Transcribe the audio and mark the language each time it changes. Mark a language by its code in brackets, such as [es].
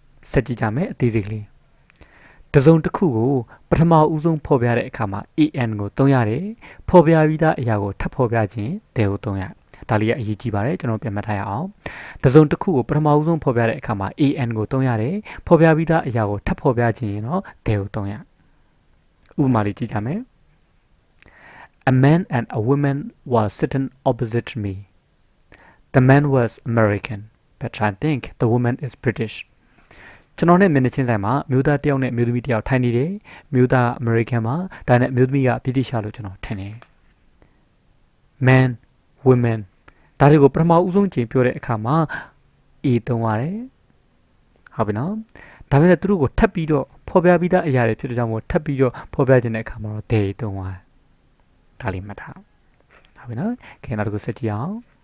[my] ဆက်ကြည့်ကြမယ်အသေးသေးလေးတစုံတစ်ခုကိုပထမဦးဆုံးဖော်ပြတဲ့အခါမှာ AN ကိုသုံးရတယ်ဖော်ပြပြီးသားအရာကိုထပ်ဖော်ပြခြင်းဒေကိုသုံးရဒါလေးကအရေးကြီးပါတယ်ကျွန်တော်ပြန်မှတ်ထားရအောင်တစုံတစ်ခုကိုပထမဦးဆုံးဖော်ပြတဲ့အခါမှာ AN ကိုသုံးရတယ်ဖော်ပြပြီးသားအရာကိုထပ်ဖော်ပြခြင်းရောဒေကိုသုံးရဥပမာလေးကြည့်ကြမယ် [en] A man and a woman were sitting opposite me. The man was American, but I think the woman is British. [my] ကျွန်တော်နဲ့မင်းချင်းဆိုင်မှာမျိုးသားတယောက်နဲ့မျိုးသမီးတယောက်ထိုင်နေတယ်မျိုးသားအမေရိကန်မှာဒါနဲ့မျိုးသမီးကဗြိတိရှားလို့ကျွန်တော်ထင်တယ် man women ဒါတွေကိုပထမဦးဆုံးကြည့်ပြောတဲ့အခါမှာ A သုံးရတယ်ဟုတ်ပြီနော်ဒါပေမဲ့သူတို့ကိုထပ်ပြီးတော့ဖော်ပြပြီးသားအရာတွေဖြစ်တဲ့ကြောင့်မို့ထပ်ပြီးတော့ဖော်ပြခြင်းတဲ့အခါမှာတော့ D သုံးရဒါလေးမှတ်ထားဟုတ်ပြီနော်ခင်ဗျားတို့ဆက်ကြည့်အောင်